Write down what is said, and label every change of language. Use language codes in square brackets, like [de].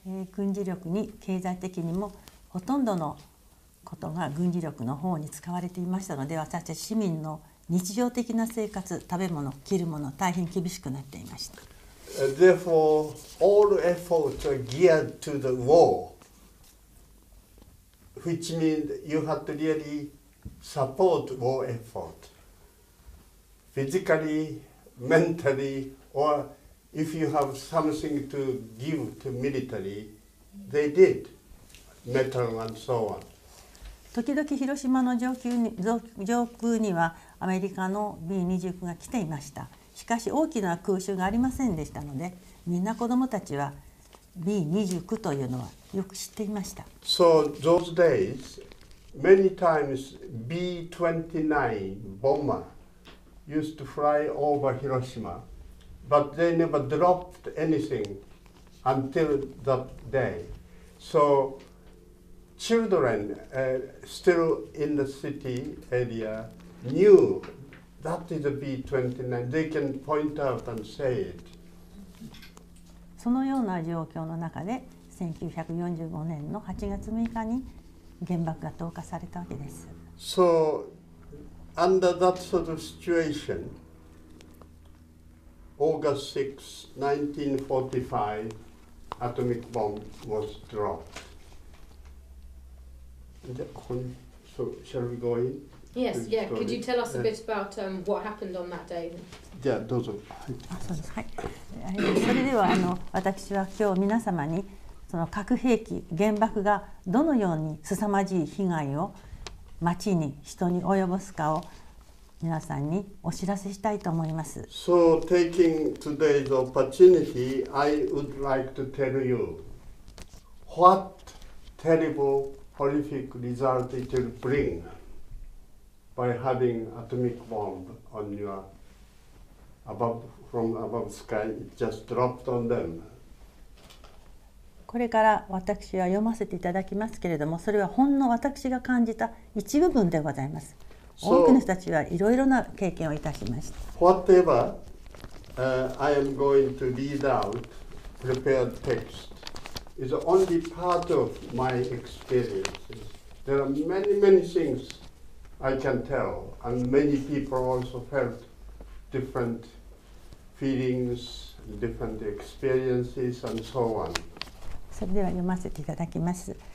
[ja] 軍事力に経済的にもほとんどのことが軍事力の方に使われていましたので、私たち市民の日常的な生活、食べ物、着るもの、大変厳しくなっていました。 [en] Therefore, all efforts are geared to the war, which means you have to reallySupport war effort, physically, mentally, or if you have something to give to military, they did, metal and so on. [ja] 時々広島の上空にはアメリカの B-29 が来ていました。しかし大きな空襲がありませんでしたので、みんな子どもたちは B-29 というのはよく知っていました。 [en] So those days,Many times B-29 bomber used to fly over Hiroshima, but they never dropped anything until that day. So children still in the city area knew that is a B-29. They can point out and say it. [ja] そのような状況の中で、1945年の8月6日に原爆が投下されたわけです。 [en] So, under that sort of situation, August 6, 1945, atomic bomb was dropped. So, shall we go in? Yes, yeah. Could you tell us a bit about what happened on that day? [ja] Yeah, どうぞ。あ、そうです。はい。それでは、私は今日皆様に、その核兵器、原爆がどのように凄まじい被害を町に、人に及ぼすかを皆さんにお知らせしたいと思います。 [en] So, taking today's opportunity, I would like to tell you what terrible, horrific result it will bring by having atomic bomb on your from above sky, it just dropped on them. [ja] これから私は読ませていただきますけれども、それはほんの私が感じた一部分でございます。多くの人たちはいろいろな経験をいたしました。 [en] Whatever, I am going to read out prepared text is only part of my experiences. There are many, many things I can tell, and many people also felt different feelings, different experiences, and so on. [ja] それでは読ませていただきます。